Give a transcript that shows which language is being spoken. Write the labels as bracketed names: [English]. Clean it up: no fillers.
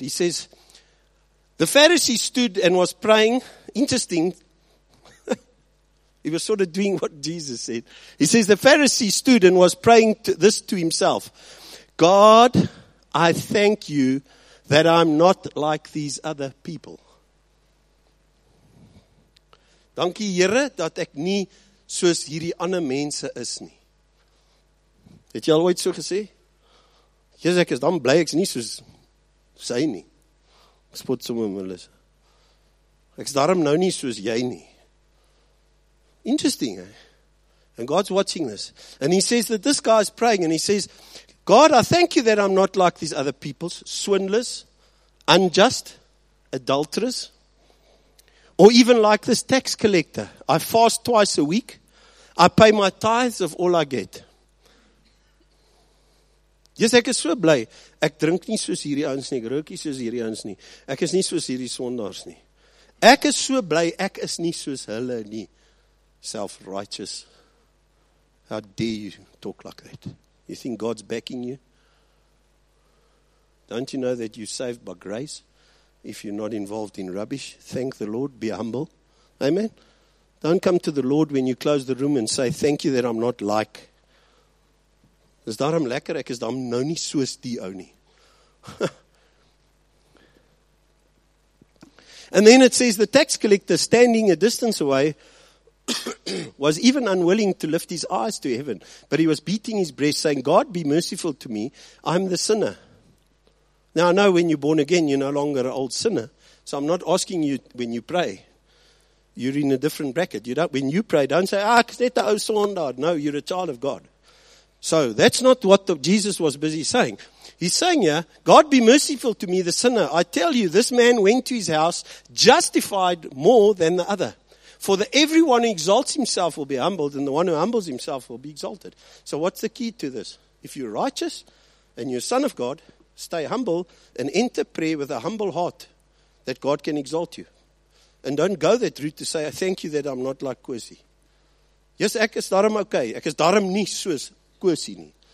[English] He says, the Pharisee stood and was praying. Interesting. He was sort of doing what Jesus said. He says, the Pharisee stood and was praying this to himself. God, I thank you that I'm not like these other people. [Afrikaans] Dankie Here dat ek nie soos hierdie ander mense is nie. Het jy al ooit so gesê? Jezus, ek is dan bly, ek is nie soos sy nie. Ek spot sommer mylis. Ek is daarom nou nie soos jy nie. [English] Interesting, eh? And God's watching this. And he says that this guy is praying, and he says, God, I thank you that I'm not like these other peoples, swindlers, unjust, adulterers, or even like this tax collector. I fast twice a week. I pay my tithes of all I get. [Afrikaans] Jezus, ek is so bly. Ek drink nie soos hierdie ouens nie. Ek rook nie soos hierdie ouens nie. Ek is nie soos hierdie sondaars nie. Ek is so bly. Ek is nie soos hulle nie. [English] Self-righteous. How dare you talk like that? You think God's backing you? Don't you know that you're saved by grace? If you're not involved in rubbish, thank the Lord. Be humble. Amen? Don't come to the Lord when you close the room and say, thank you that I'm not like. [Afrikaans] Is daarom lekker, ek is daarom nou nie soos die ou nie. [English] And then it says, the tax collector standing a distance away was even unwilling to lift his eyes to heaven, but he was beating his breast saying, God be merciful to me, I'm the sinner. Now I know when you're born again, you're no longer an old sinner, so I'm not asking you when you pray. You're in a different bracket. You don't, when you pray, don't say, ah, is that the old sondaar? No, you're a child of God. So that's not what Jesus was busy saying. He's saying here, God be merciful to me, the sinner. I tell you, this man went to his house justified more than the other. For the everyone who exalts himself will be humbled, and the one who humbles himself will be exalted. So what's the key to this? If you're righteous and you're a son of God, stay humble and enter prayer with a humble heart that God can exalt you. And don't go that route to say, I thank you that I'm not like Kwesi. [Afrikaans] Yes, ek is daarom okay. Ek is daarom nie soos Kwesi nie.